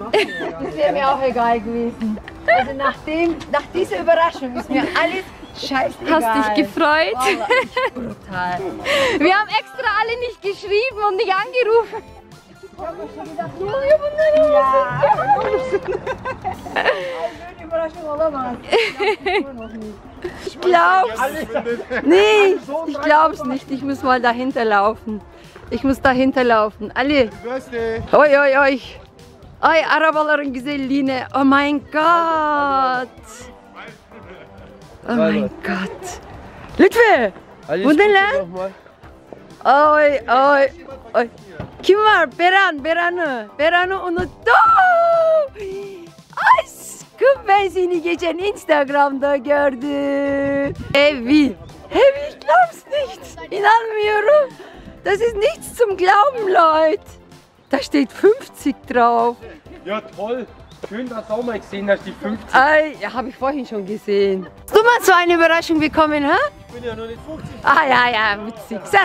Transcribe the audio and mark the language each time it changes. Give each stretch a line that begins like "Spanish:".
German: Das wäre mir auch egal gewesen. Also nach dieser Überraschung ist mir alles scheißegal. Hast dich gefreut? Brutal. Wir haben extra alle nicht geschrieben und nicht angerufen. Ich habe schon gedacht, ja, ja,
Turkish: bunlar
German: ja.
Turkish: Böyle Überraschung olamaz.
German: Ich glaub's. Nee, ich glaub's nicht. Ich muss mal dahinter laufen. Ich muss dahinter laufen. Ali. Oi, oi, oi.
Turkish: Ay arabaların güzelliğine.
English: Oh my god. Oh my god. Lütfi.
Turkish: Bu ne lan? Ay ay ay. Kim var? Beran, Beran'ı. Beran'ı unuttum. Aşkım ben seni geçen Instagram'da gördüm.
German: Evi. Evi glaubst nicht.
Turkish: İnanmıyorum.
German: Das ist nichts zum glauben, Leute. Da steht 50 drauf. Ja toll, schön, dass du auch mal gesehen hast, die 50. Ei, ja, habe ich vorhin schon gesehen. Du mal zu einer Überraschung bekommen, hä? Ich bin ja nur nicht 50. Ah ja, ja, witzig. Ja.